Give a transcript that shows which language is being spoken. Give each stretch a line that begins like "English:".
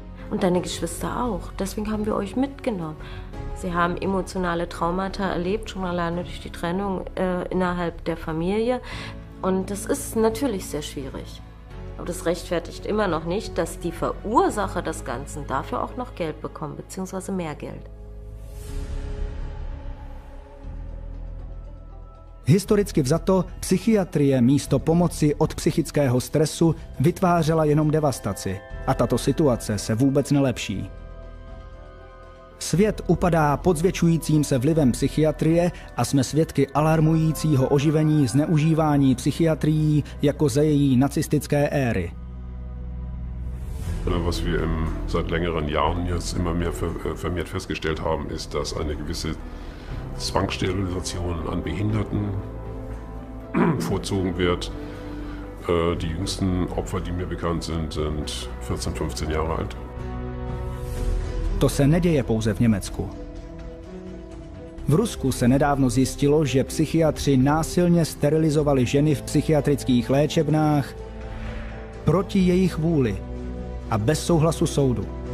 German: Und deine Geschwister auch, deswegen haben wir euch mitgenommen. Sie haben emotionale Traumata erlebt, schon alleine durch die Trennung innerhalb der Familie. Und das ist natürlich sehr schwierig. Aber das rechtfertigt immer noch nicht, dass die Verursacher des Ganzen dafür auch noch Geld bekommen, beziehungsweise mehr Geld.
Czech: Historicky vzato, psychiatrie místo pomoci od psychického stresu vytvářela jenom devastaci a tato situace se vůbec nelepší. Svět upadá pod zvětšujícím se vlivem psychiatrie a jsme svědky alarmujícího oživení zneužívání psychiatrií jako za její nacistické éry.
German: Was wir seit längeren Jahren jetzt immer mehr vermehrt festgestellt haben, ist, dass eine gewisse Zwangssterilisation an Behinderten vorzogen wird. Die jüngsten Opfer, die mir bekannt sind, sind 14, 15 Jahre alt.
Czech: To se neděje pouze v Německu. V Rusku se nedávno zjistilo, že psychiatři násilně sterilizovali ženy v psychiatrických léčebnách proti jejich vůli a bez souhlasu soudu.